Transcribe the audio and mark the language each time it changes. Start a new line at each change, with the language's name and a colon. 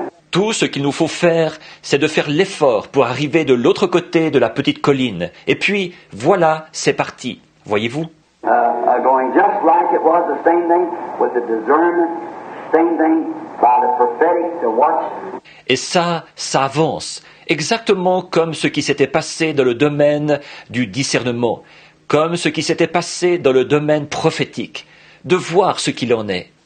French: Tout ce qu'il nous faut faire, c'est de faire l'effort pour arriver de l'autre côté de la petite colline. Et puis, voilà, c'est parti. Voyez-vous?
English: Going just like it was, the same thing with the discernment, same thing by the prophetic to watch.
French: Et ça avance. Exactement comme ce qui s'était passé dans le domaine du discernement, comme ce qui s'était passé dans le domaine prophétique, de voir ce qu'il en est.